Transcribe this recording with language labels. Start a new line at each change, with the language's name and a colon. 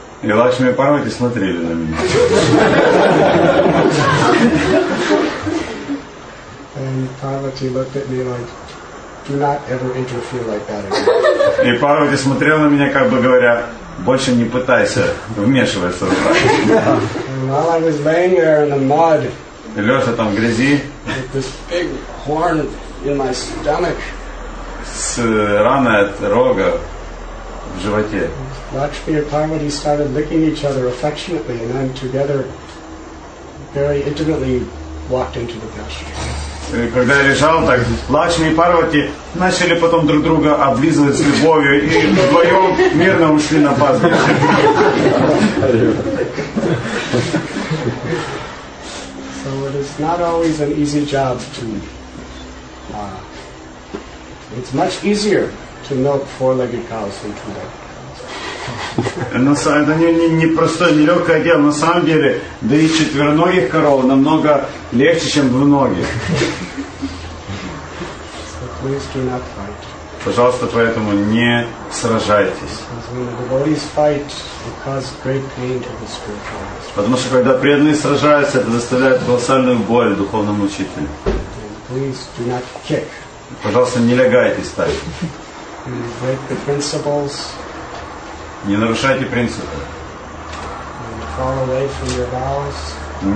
Russian: И Лакшми и Парвати смотрели на меня.
English: And Parvati looked at me like, do not ever interfere like that again.
Russian: И Парвати смотрел на меня, как бы говоря, больше не пытайся вмешиваться в это.
English: While I was laying there in the mud,
Russian: лежа там в грязи,
English: with this big horn in my stomach,
Russian: с раной от рога в животе,
English: Lakshmi and Parvati started licking each other affectionately, and then together, very intimately, walked into the pasture.
Russian: Когда я лежал, так Лакшми и Парвати начали потом друг друга облизывать с любовью и вдвоем мирно ушли на пастбище.
English: So it is not always an easy job to. It's much easier to milk four-legged cows than two-legged cows.
Russian: На самом деле это непростое, нелегкое дело. На самом деле, да и четвероногих коров намного легче, чем двуногих.
English: So please do not fight.
Russian: Пожалуйста, поэтому не сражайтесь.
English: Fight, it causes great pain to the spiritual master.
Russian: Потому что когда преданные сражаются, это доставляет колоссальную боль духовному учителю.
English: Please do not kick.
Russian: Пожалуйста, не лягайтесь так.
English: Break the principles.
Russian: Не нарушайте принципы.
English: Fall away from your vows.